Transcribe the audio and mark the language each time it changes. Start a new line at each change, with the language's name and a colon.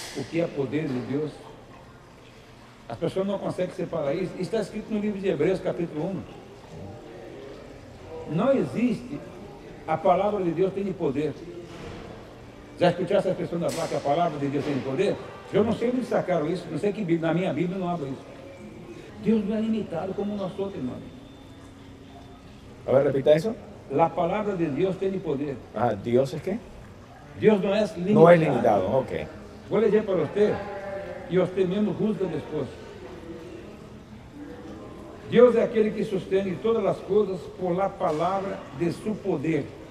Spanish: o que es el poder de Dios. Las personas no consiguen separar eso. Está escrito en el libro de Hebreos, capítulo 1. No existe la palabra de Dios tiene poder. ¿Ya escuchaste a esas personas hablar que la palabra de Dios tiene poder? Yo no sé dónde sacaron eso, no sé qué Biblia,
Portuguese: na minha Bíblia não abro isso. Deus não é limitado como nós outros, irmão. A ver, repita isso.
Spanish: La palabra de Dios tiene poder. Ah, ¿Dios es qué? Dios no es limitado. No es limitado, ok. Voy a leer para usted y usted mismo juzga después. Dios es aquel que sostiene todas las cosas por la palabra de su poder.